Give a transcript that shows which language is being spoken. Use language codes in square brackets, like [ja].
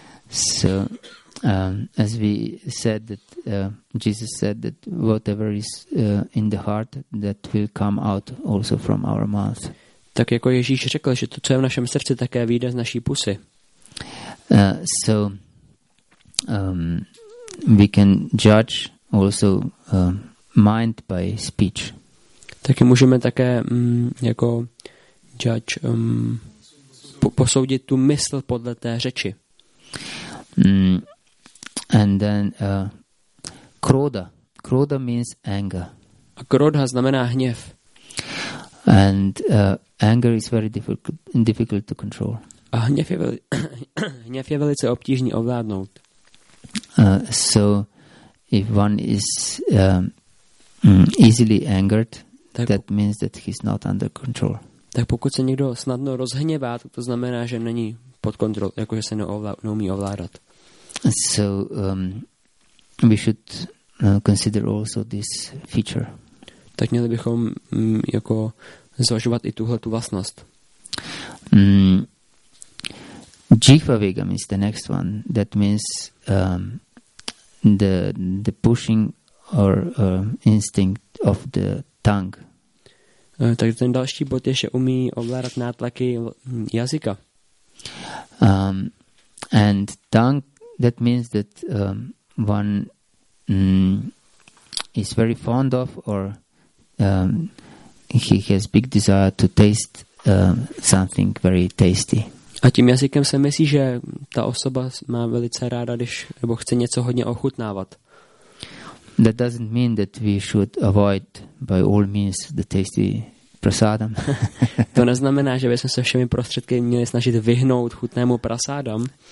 [en] So, as we said that Jesus said that whatever is in the heart that will come out also from our mouth. [cs] Tak jako Ježíš řekl, že to, co je v našem srdci, také vyjde z naší pusy. [en] So we can judge also mind by speech. [cs] Taky můžeme také jako judge posoudit tu mysl podle té řeči. [en] And then krodha. Krodha means anger. [cs] A krodha znamená hněv. [en] And anger is very difficult to control. [cs] A hněv je velice obtížný ovládnout. [en] So if one is easily angered, tak, that means that he's not under control. [cs] Tak pokud se někdo snadno rozhněvá, to znamená, že není pod kontrol, jakože se neumí ovládat. [en] So we should consider also this feature. [cs] Tak měli bychom jako zvažovat i tuhle tu vlastnost. [en] Jihva vegam is the next one. That means the pushing or instinct of the tongue. [cs] Tak ten další bod je, že umí ovládat nátlaky jazyka. [en] And tongue, that means that one is very fond of or he has big desire to taste something very tasty. [cs] A tím jazykem se myslí, že ta osoba má velice ráda, když nebo chce něco hodně ochutnávat. [en] That doesn't mean that we should avoid by all means the tasty prasadam. [cs] To neznamená, že bychom se všemi prostředky měli snažit vyhnout chutnému prasadam.